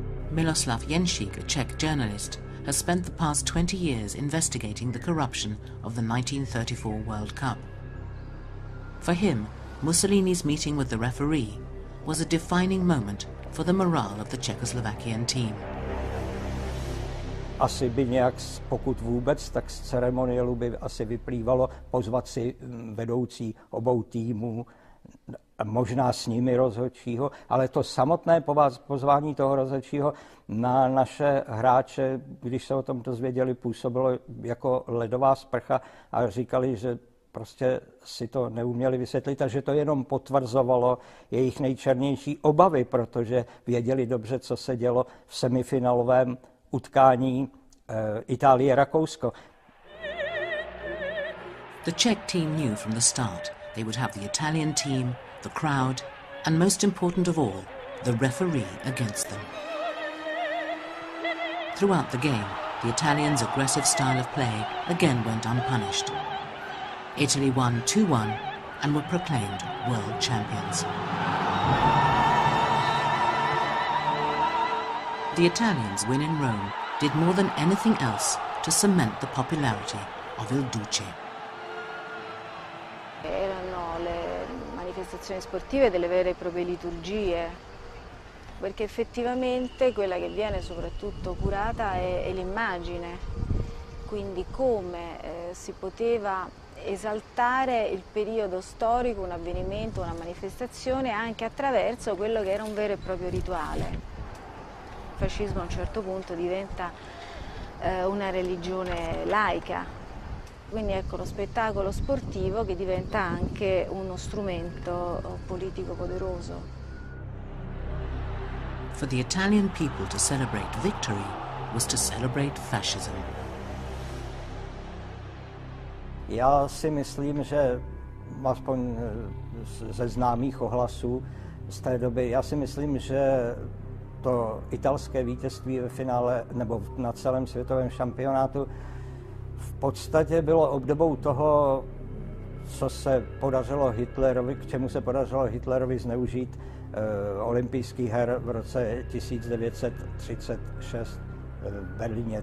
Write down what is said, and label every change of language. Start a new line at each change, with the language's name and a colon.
English: Miloslav Jenšík, a Czech journalist, has spent the past 20 years investigating the corruption of the 1934 World Cup. For him, Mussolini's meeting with the referee was a defining moment for the morale of the Czechoslovakian team.
Czech: Asi by nějak, pokud vůbec, tak z ceremoniálu by asi vyplývalo pozvat si vedoucí obou týmů, možná s nimi rozhodčího, ale to samotné pozvání toho rozhodčího na naše hráče, když se o tom dozvěděli, působilo jako ledová sprcha a říkali, že prostě si to neuměli vysvětlit a že to jenom potvrzovalo jejich nejčernější obavy, protože věděli dobře, co se dělo v semifinálovém utkání Itálie-Rakousko.
English: The Czech team knew from the start they would have the Italian team, the crowd, and most important of all, the referee against them. Throughout the game, the Italians' aggressive style of play again went unpunished. Italy won 2-1 and were proclaimed world champions. The Italians' win in Rome did more than anything else to cement the popularity of Il Duce.
Italian: Erano le manifestazioni sportive delle vere e proprie liturgie, perché effettivamente quella che viene soprattutto curata è l'immagine, quindi come si poteva esaltare il periodo storico, un avvenimento, una manifestazione anche attraverso quello che era un vero e proprio rituale. Il fascismo a un certo punto diventa una religione laica. Quindi ecco lo spettacolo sportivo che diventa anche uno strumento politico poderoso.
English: For the Italian people to celebrate victory was to celebrate fascism.
Czech: Já si myslím, že aspoň ze známých ohlasů z té doby, já si myslím, že to italské vítězství ve finále nebo na celém světovém šampionátu v podstatě bylo obdobou toho, co se podařilo Hitlerovi, k čemu se podařilo Hitlerovi zneužít olympijský her v roce 1936 v Berlíně.